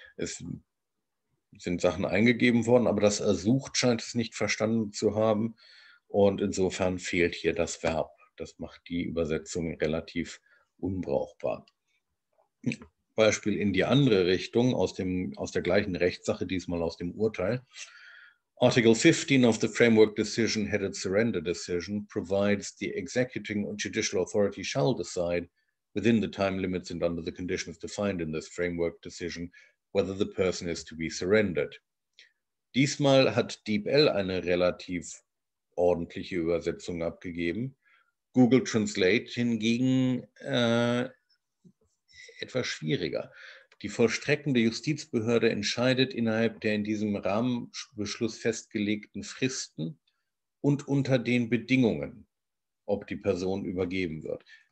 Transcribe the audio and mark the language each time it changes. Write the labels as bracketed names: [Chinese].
[German] Es sind Sachen eingegeben worden, aber das ersucht scheint es nicht verstanden zu haben. Und insofern fehlt hier das Verb. Das macht die Übersetzung relativ unbrauchbar. Beispiel in die andere Richtung, aus der gleichen Rechtssache, diesmal aus dem Urteil. [English] Article 15 of the Framework Decision, headed Surrender Decision, provides the executing and judicial authority shall decide within the time limits and under the conditions defined in this Framework Decision, whether the person is to be surrendered. [German] Diesmal hat DeepL eine relativ ordentliche Übersetzung abgegeben. Google Translate hingegen etwas schwieriger. Die vollstreckende Justizbehörde entscheidet innerhalb der in diesem Rahmenbeschluss festgelegten Fristen und unter den Bedingungen, ob die Person übergeben wird.